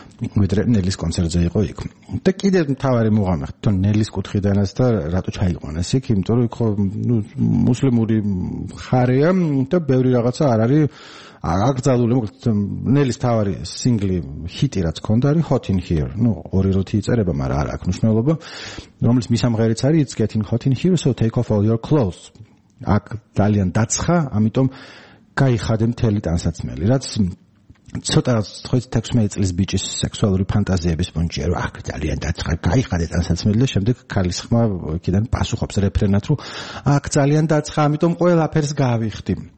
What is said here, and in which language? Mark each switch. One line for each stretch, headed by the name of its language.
Georgian: ვიდრე ნელის კონცერტზე იყო იქ. და კიდე მთავარი მოღამე თონ ნელის კუთხიდანაც და რატო ჩაიყვანეს იქ, იმიტომ რომ იქ ხო მუსლიმური ხარია და ბევრი რაღაცა არ არის აკრძალული. ნელის მთავარი სინგლი ჰიტი რაც ქონდა არის Hot in Here. ნუ ორი როთი იწერება, მაგრამ არა აქვს მნიშვნელობა. რომელიც მისამღერიც არის
English: It's getting hot in here so take off all your clothes.
Georgian: აქ ძალიან დაცხა, ამიტომ გაიხადე მთელი ტანსაცმელი, რაც ცოტა 16 წლის ბიჭის სექსუალური ფანტაზიების პონჭია, რომ აქ ძალიან დაცხა, გაიხადე ტანსაცმელი და შემდეგ ქალის ხმა იქიდან პასუხობს რეფრენად, რომ აქ ძალიან დაცხა, ამიტომ ყველაფერს გავიხდი.